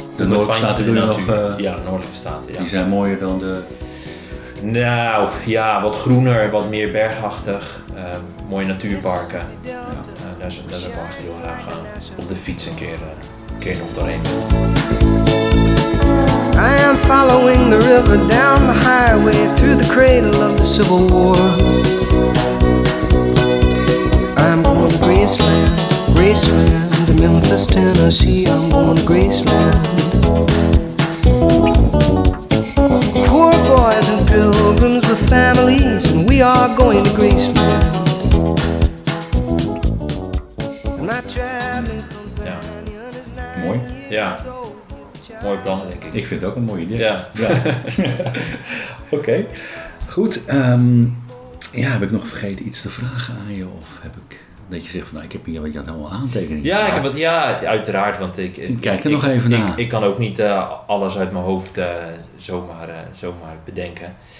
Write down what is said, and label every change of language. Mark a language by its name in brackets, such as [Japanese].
[Dutch] De noordelijke staten doen nog... Ja, de noordelijke staten. Ja. Die zijn mooier dan de... Nou, ja, wat groener, wat meer bergachtig. Mooie natuurparken. Ja. Daar zou ik wel heel graag gaan. Op de fiets een keer nog doorheen. [English] I am following the river down the highway through the cradle of the Civil War. I'm going to Graceland, Graceland, to Memphis, Tennessee. I'm going to Graceland. Poor boys and pilgrims with families, and we are going to Graceland. I'm not traveling companion is not. [Dutch] Mooi. Ja. Mooi plan, denk ik. Ik vind het ook een mooi idee. Ja. Ja. Oké. Okay. Goed. Ja, heb ik nog vergeten iets te vragen aan je? Of heb ik... Dat je zegt, van, nou, ik heb hier wat allemaal aantekeningen. Ja, ik heb het, ja, uiteraard. Want ik kijk er nog even naar. Ik kan ook niet alles uit mijn hoofd zomaar bedenken.